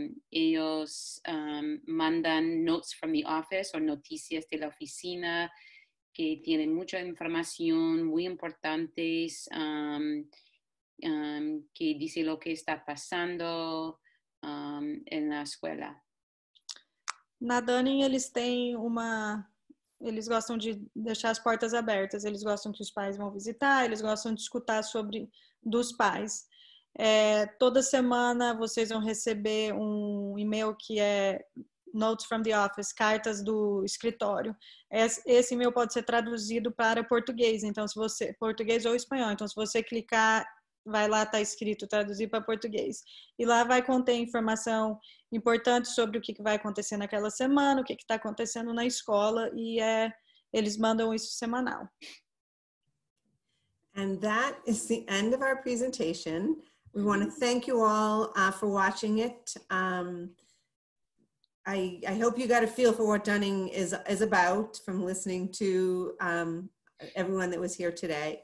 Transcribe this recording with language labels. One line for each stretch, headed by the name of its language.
Spanish: ellos mandan notes from the office o noticias de la oficina que tienen mucha información muy importante que dice lo que está pasando en la escuela.
Portuguese: Na Dunning, eles gostam de deixar as portas abertas, eles gostam que os pais vão visitar, eles gostam de escutar sobre dos pais. É, toda semana vocês vão receber um e-mail que é Notes from the Office, cartas do escritório. Esse e-mail pode ser traduzido para português, então se você, português ou espanhol, então se você clicar, vai lá, tá escrito, traduzir para português. E lá vai conter informação importante sobre o que vai acontecer naquela semana, o que está acontecendo na escola, e eles mandam isso semanal.
English: And that is the end of our presentation. We want to thank you all for watching it. I hope you got a feel for what Dunning is about from listening to everyone that was here today.